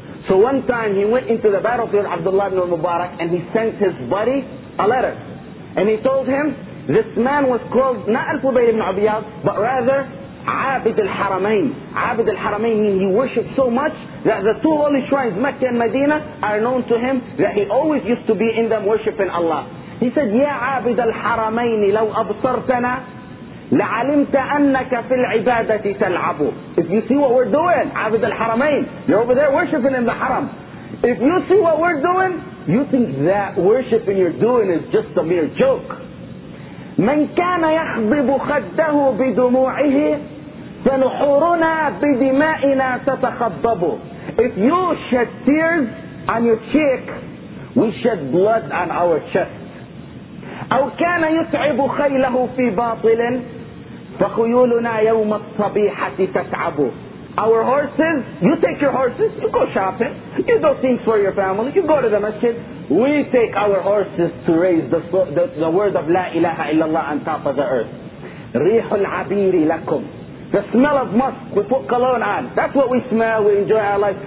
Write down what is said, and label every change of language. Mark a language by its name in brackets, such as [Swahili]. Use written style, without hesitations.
[English] So one time he went into the battlefield, Abdullah ibn al-Mubarak, and he sent his buddy a letter. And he told him, this man was called, not Al-Fudayl ibn Iyad, but rather, Abid al-Haramain. Abid al-Haramain means he worshipped so much that the two holy shrines, Mecca and Medina, are known to him that he always used to be in them worshipping Allah. He said, [Arabic] Ya Abid al-Haramain, لو أبصرتنا لعلمت أنك في العبادة تلعب. [English] If you see what we're doing, Abid al-Haramain, you're over there worshipping in the Haram. If you see what we're doing, you think that worshipping you're doing is just a mere joke. [Arabic] من كان يخضب خده بدموعه فنحورنا بدمائنا تتخضب. [English] If you shed tears on your cheek, we shed blood on our chest. [Arabic] أو كان يتعب خيله في باطل فخيولنا يوم الصبيحة تتعب. [English] Our horses, you take your horses, you go shopping, you do things for your family, you go to the masjid. We take our horses to raise the word of La ilaha illallah on top of the earth. [Arabic] رِيحُ الْعَبِيرِ لَكُمْ. [English] The smell of musk, we put cologne on. That's what we smell, we enjoy our life.